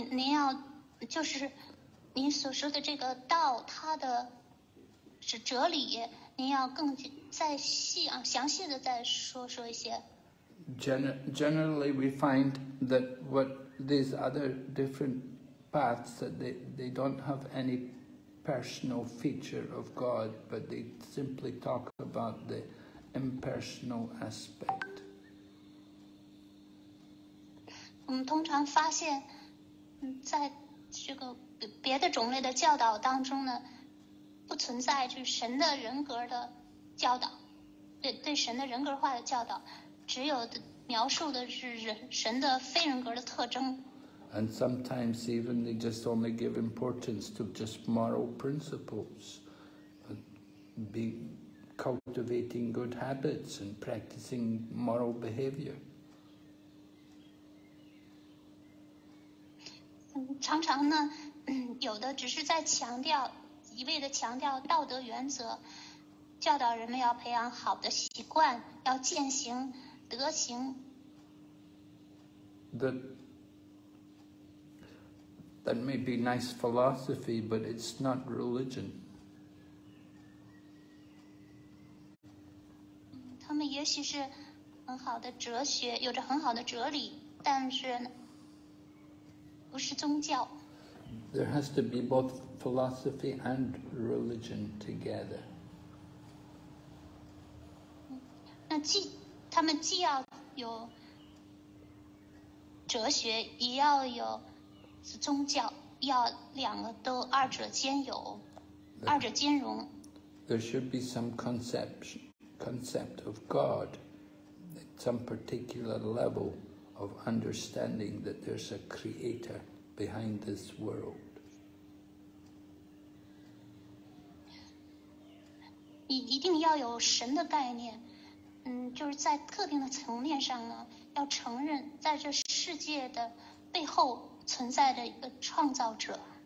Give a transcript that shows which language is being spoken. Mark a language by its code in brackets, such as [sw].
[zh] 那么您要就是您所说的这个道，它的是哲理，您要更再细啊，详细的再说一些。 [en] Generally, we find that what these other different paths that they don't have any personal feature of God, but they simply talk about the impersonal aspect. [zh] 我们通常发现，在这个。别的种类的教导当中呢，不存在就是神的人格的教导，对神的人格化的教导，只有描述的是神的非人格的特征。 [en] And sometimes even they just only give importance to just moral principles, cultivating good habits and practicing moral behavior. [zh] 常常呢。有的只是在强调，一味的强调道德原则，教导人们要培养好的习惯，要践行德行。 [en] That may be nice philosophy, but it's not religion. [zh] 他们也许是很好的哲学，有着很好的哲理，但是不是宗教。 [en] There has to be both philosophy and religion together. [zh] 那他们既要有哲学，也要有宗教，要两个都二者兼有，二者兼容。 [en] There should be some concept of God at some particular level of understanding that there's a creator behind this world. [zh] 一定要有神的概念，就是在特定的层面上呢，要承认在这世界的背后存在着一个创造者。